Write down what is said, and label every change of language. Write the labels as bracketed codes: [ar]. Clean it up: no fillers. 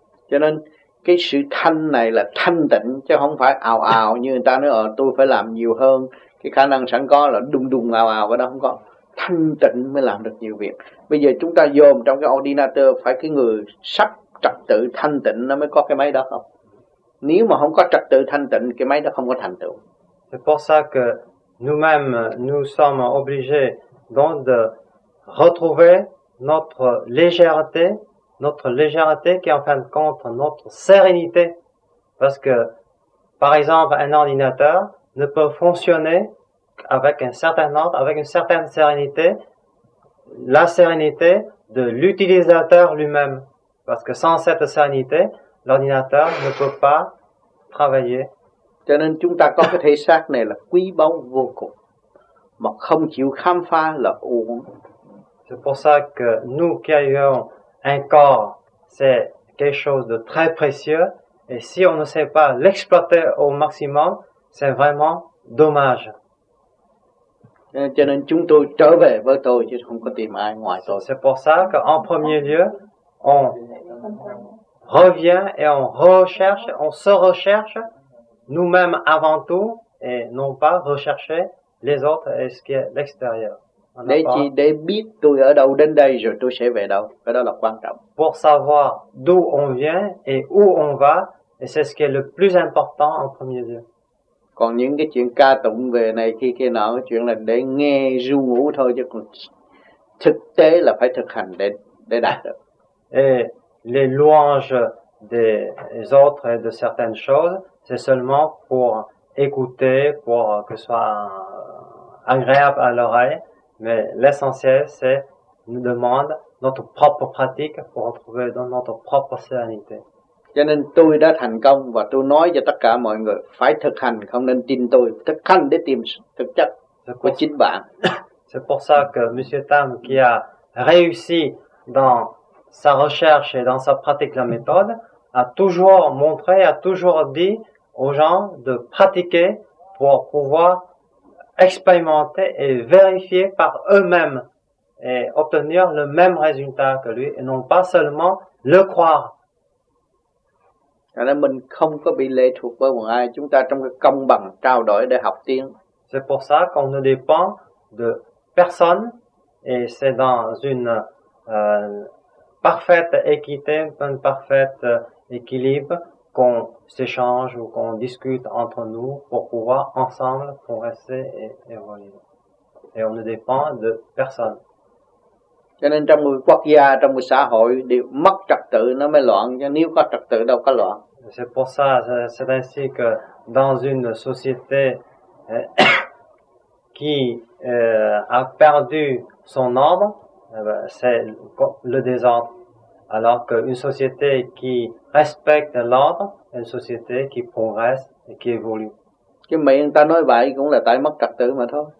[vi] Cho nên cái sự thanh này là thanh tịnh chứ không phải ào ào như người ta nói tôi phải làm nhiều hơn, cái khả năng sẵn có là đùng đùng ào ào vậy đó, không có. Thanh tịnh mới làm được nhiều việc. Bây giờ chúng ta dồn trong cái ordinator phải cái người sắp trật tự thanh tịnh nó mới có cái máy đó không? Nếu mà không có trật tự thanh tịnh cái máy đó không có thành tựu. [fr] C'est pour ça que nous-mêmes nous sommes obligés donc de retrouver notre légèreté. Notre légèreté qui est en fin de compte notre sérénité. Parce que, par exemple, un ordinateur ne peut fonctionner avec un certain ordre, avec une certaine sérénité, la sérénité de l'utilisateur lui-même. Parce que sans cette sérénité, l'ordinateur ne peut pas travailler. [vi] Cho nên chúng ta có cái thể xác này là quý báu vô cùng. Mà không chịu khám phá là uổng. [fr] C'est pour ça que nous qui ayons un corps, c'est quelque chose de très précieux, et si on ne sait pas l'exploiter au maximum, c'est vraiment dommage. [vi] Cho nên chúng tôi trở về với tôi chứ không có tìm ai ngoài tôi. [fr] C'est pour ça qu'en premier lieu, on revient et on recherche, on se recherche nous-mêmes avant tout, et non pas rechercher les autres et ce qui est l'extérieur. [vi] Để biết tôi ở đâu đến đây rồi tôi sẽ về đâu, cái đó là quan trọng. [fr] Pour savoir d'où on vient et où on va, et c'est ce qui est le plus important en premier lieu. [vi] Còn những cái chuyện ca tụng về này khi kia nọ, chuyện là để nghe ru ngủ thôi, chứ còn thực tế là phải thực hành để đạt được. [fr] Et les louanges des autres et de certaines choses, c'est seulement pour écouter, pour que ce soit agréable à l'oreille. Mais l'essentiel, c'est nous demande notre propre pratique pour retrouver dans notre propre sérénité. [vi] Cho nên tôi đã thành công và tôi nói cho tất cả mọi người phải thực hành, không nên tin tôi, thực hành để tìm thực chất của chính bạn. [fr] C'est pour ça que M. Tam qui a réussi dans sa recherche et dans sa pratique la méthode a toujours montré, a toujours dit aux gens de pratiquer pour pouvoir expérimenter et vérifier par eux-mêmes et obtenir le même résultat que lui et non pas seulement le croire. [vi] Cho nên mình không có bị lệ thuộc với một ai, chúng ta trong cái công bằng trao đổi để học tiếng. [fr] C'est pour ça qu'on ne dépend de personne et c'est dans une parfaite équité, un parfait équilibre qu'on s'échange ou qu'on discute entre nous pour pouvoir ensemble progresser et évoluer. Et on ne dépend de personne. [vi] Cho nên trong một quốc gia, trong một xã hội đều mất trật tự nó mới loạn, chứ nếu có trật tự đâu có loạn. [fr] C'est pour ça, c'est ainsi que dans une société qui a perdu son ordre, c'est le désordre. Alors qu'une société qui respecte l'ordre, une société qui progresse et qui évolue. [vi] Chứ mà người ta nói vậy cũng là tại mất trật tự mà thôi.